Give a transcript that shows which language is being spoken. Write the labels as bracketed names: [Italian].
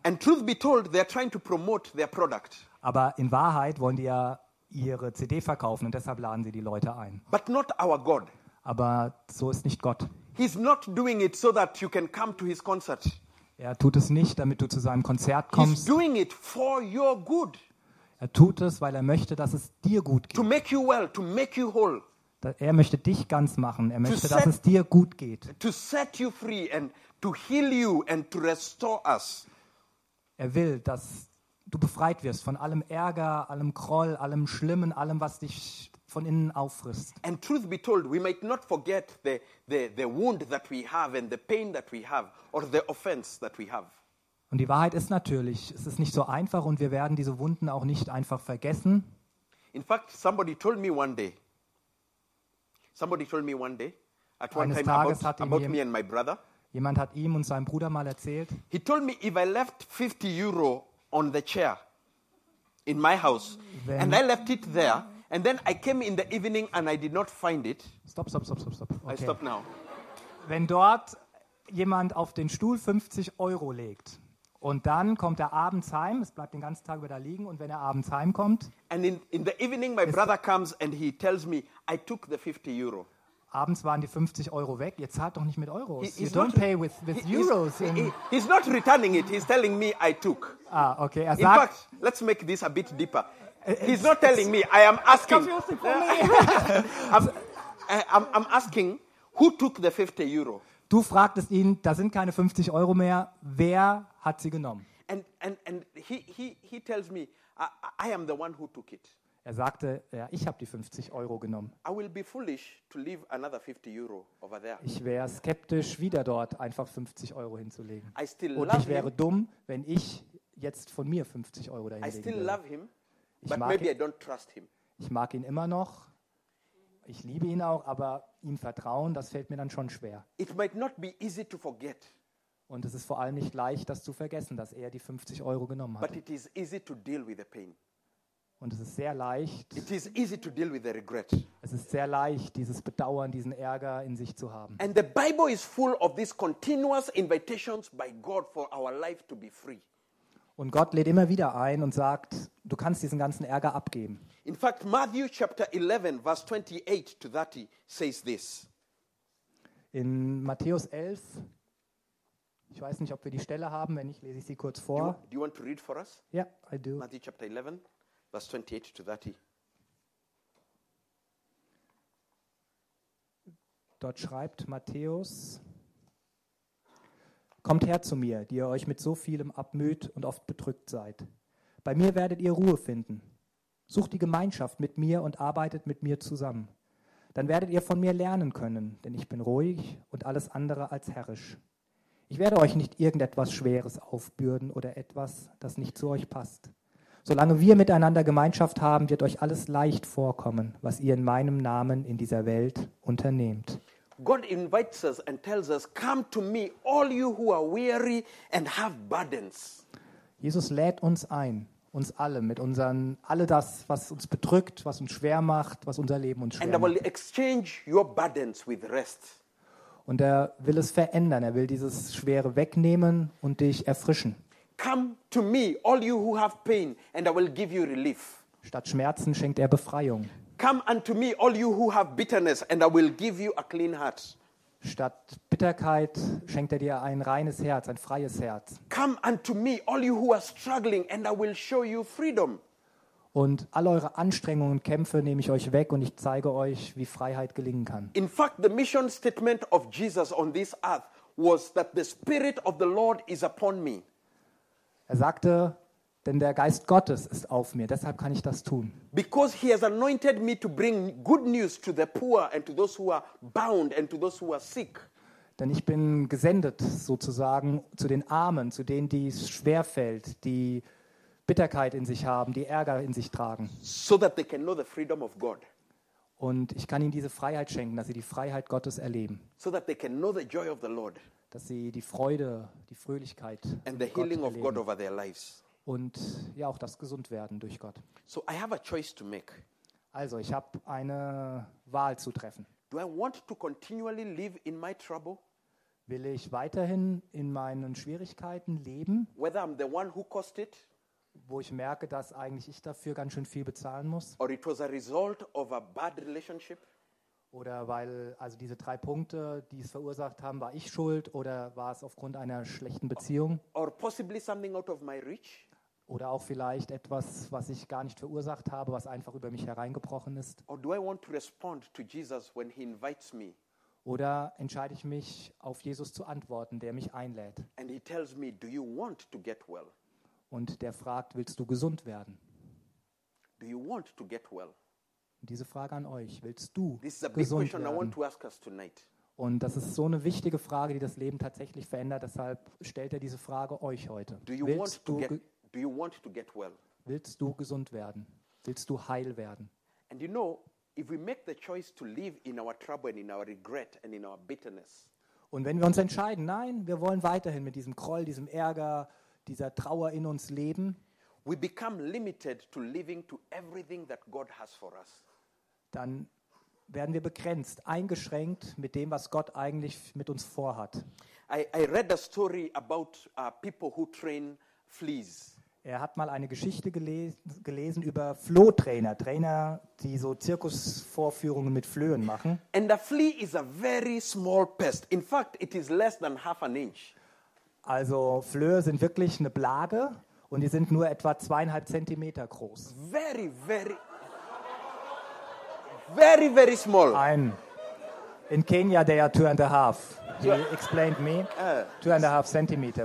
[English] And truth be told, they're trying to promote their product. [German] Aber in Wahrheit wollen die ja ihre CD verkaufen und deshalb laden sie die Leute ein. [English] But not our God. [German] Aber so ist nicht Gott. [English] He's not doing it so that you can come to his concert. [German] Er tut es nicht, damit du zu seinem Konzert kommst. [English] He's doing it for your good. [German] Er tut es, weil er möchte, dass es dir gut geht. [English] To make you well, to make you whole. [German] Er möchte dich ganz machen. Er möchte, dass es dir gut geht. [English] To set you free and to heal you and to restore us. [German] Er will, dass du befreit wirst von allem Ärger, allem Groll, allem Schlimmen, allem, was dich von innen auffrisst. [English] And truth be told, we might not forget the wound that we have and the pain that we have or the offense that we have. [German] Und die Wahrheit ist natürlich, es ist nicht so einfach und wir werden diese Wunden auch nicht einfach vergessen. [English] In fact, somebody told me one day, at one time about me and my brother. [German] Jemand hat ihm und seinem Bruder mal erzählt. [English] He told me, if I left 50 Euro on the chair in my house and I left it there and then I came in the evening and I did not find it. Stop. Okay. I stop now. [German] Wenn dort jemand auf den Stuhl 50 Euro legt und dann kommt er abends heim, es bleibt den ganzen Tag über da liegen und wenn er abends heimkommt. [English] And in the evening my brother comes and he tells me I took the 50 Euro. [German] Abends waren die 50 Euro weg. Ihr zahlt doch nicht mit Euros. [English] You don't pay with euros. He's not returning it. He's telling me I took. [German] Ah, okay. Er [English] in [German] sagt, [English] fact, let's make this a bit deeper. He's not telling me. I am asking. I'm asking, who took the 50 Euro? [German] Du fragtest ihn, da sind keine 50 Euro mehr. Wer hat sie genommen? [English] And he tells me, I am the one who took it. [German] Er sagte, ja, ich habe die 50 Euro genommen. [English] I will be foolish to leave another 50 Euro over there. [German] Ich wäre skeptisch, wieder dort einfach 50 Euro hinzulegen. [English] I still [German] und [English] love [German] ich wäre [English] him. [German] Dumm, wenn ich jetzt von mir 50 Euro dahin [English] I [German] legen [English] still [German] würde. [English] Love him, but maybe I don't trust him. [German] Ich mag ihn immer noch. Ich liebe ihn auch, aber ihm vertrauen, das fällt mir dann schon schwer. [English] It might not be easy to forget. [German] Und es ist vor allem nicht leicht, das zu vergessen, dass er die 50 Euro genommen hat. [English] But it is easy to deal with the pain. [German] Und es ist sehr leicht. [English] It is easy to deal with the regret. [German] Es ist sehr leicht, dieses Bedauern, diesen Ärger in sich zu haben. [English] And the Bible is full of these continuous invitations by God for our life to be free. [German] Und Gott lädt immer wieder ein und sagt, du kannst diesen ganzen Ärger abgeben. [English] In fact, Matthew chapter 11, verse 28 to 30 says this. [German] In Matthäus 11, ich weiß nicht, ob wir die Stelle haben, wenn nicht, lese ich sie kurz vor. [English] Do you want to read for us? Yeah, I do. Matthew chapter 11. Verse 28 to 30. [German] Dort schreibt Matthäus, kommt her zu mir, die ihr euch mit so vielem abmüht und oft bedrückt seid. Bei mir werdet ihr Ruhe finden. Sucht die Gemeinschaft mit mir und arbeitet mit mir zusammen. Dann werdet ihr von mir lernen können, denn ich bin ruhig und alles andere als herrisch. Ich werde euch nicht irgendetwas Schweres aufbürden oder etwas, das nicht zu euch passt. Solange wir miteinander Gemeinschaft haben, wird euch alles leicht vorkommen, was ihr in meinem Namen in dieser Welt unternehmt. [English] God invites us and tells us, come to me, all you who are weary and have burdens. [German] Jesus lädt uns ein, uns alle, mit unseren, alle das, was uns bedrückt, was uns schwer macht, was unser Leben uns schwer macht. [English] And I will exchange your burdens with rest. [German] Und er will es verändern, er will dieses Schwere wegnehmen und dich erfrischen. [English] Come to me, all you who have pain, and I will give you relief. [German] Statt Schmerzen schenkt er Befreiung. [English] Come unto me, all you who have bitterness, and I will give you a clean heart. [German] Statt Bitterkeit schenkt er dir ein reines Herz, ein freies Herz. [English] Come unto me, all you who are struggling, and I will show you freedom. [German] Und all eure Anstrengungen und Kämpfe nehme ich euch weg und ich zeige euch, wie Freiheit gelingen kann. [English] In fact, the mission statement of Jesus on this earth was that the Spirit of the Lord is upon me. [German] Er sagte, denn der Geist Gottes ist auf mir, deshalb kann ich das tun. [English] Because he has anointed me to bring good news to the poor and to those who are bound and to those who are sick. [German] Denn ich bin gesendet sozusagen zu den Armen, zu denen, die es schwer fällt, die Bitterkeit in sich haben, die Ärger in sich tragen. [English] So that they can know the freedom of God. [German] Und ich kann ihnen diese Freiheit schenken, dass sie die Freiheit Gottes erleben. [English] So that they can know the joy of the Lord. [German] Dass sie die Freude, die Fröhlichkeit [English] and the healing of God over their lives. [German] Und ja, auch das Gesundwerden durch Gott. [English] So I have a choice to make. [German] Also, ich habe eine Wahl zu treffen. [English] Do I want to continually live in my trouble? [German] Will ich weiterhin in meinen Schwierigkeiten leben? [English] Whether I'm the one who caused it? [German] Wo ich merke, dass eigentlich ich dafür ganz schön viel bezahlen muss. [English] Or it was a result of a bad relationship? [German] Oder weil, also diese drei Punkte, die es verursacht haben, war ich schuld oder war es aufgrund einer schlechten Beziehung? [English] Or possibly something out of my reach? [German] Oder auch vielleicht etwas, was ich gar nicht verursacht habe, was einfach über mich hereingebrochen ist. [English] Or do I want to respond to Jesus when he invites me? [German] Oder entscheide ich mich, auf Jesus zu antworten, der mich einlädt? [English] And he tells me, do you want to get well? [German] Und der fragt, willst du gesund werden? [English] Do you want to get well? [German] Diese Frage an euch, willst du gesund werden? [English] I want to ask us tonight. [German] Und das ist so eine wichtige Frage, die das Leben tatsächlich verändert. Deshalb stellt er diese Frage euch heute. [English] Do you want to get well? [German] Willst du gesund werden? Willst du heil werden? [English] And you know, if we make the choice to live in our trouble and in our regret and in our bitterness. [German] Und wenn wir uns entscheiden, nein, wir wollen weiterhin mit diesem Groll, diesem Ärger, dieser Trauer in uns leben. [English] We become limited to living to everything that God has for us. [German] Dann werden wir begrenzt, eingeschränkt mit dem, was Gott eigentlich mit uns vorhat. [English] I read a story about people who train fleas. [German] Er hat mal eine Geschichte gelesen über Flohtrainer, Trainer, die so Zirkusvorführungen mit Flöhen machen. [English] And a flea is a very small pest. In fact, it is less than half an inch. [German] Also Flöhe sind wirklich eine Plage und die sind nur etwa 2,5 Zentimeter groß. [English] Very, very, very, very small. Ein. In Kenya, they are 2.5. He explained me. 2.5 centimeter.